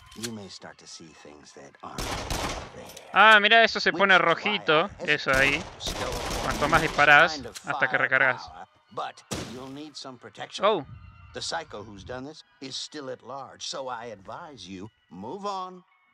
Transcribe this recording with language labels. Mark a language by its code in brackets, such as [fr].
[en] You may start to see things that aren't there. [es] Ah, mira, eso se pone rojito, eso ahí. Cuanto más disparas, hasta que recargas. [en] But you'll need some protection. Oh. The psycho who's done this is still at large, so I advise you move on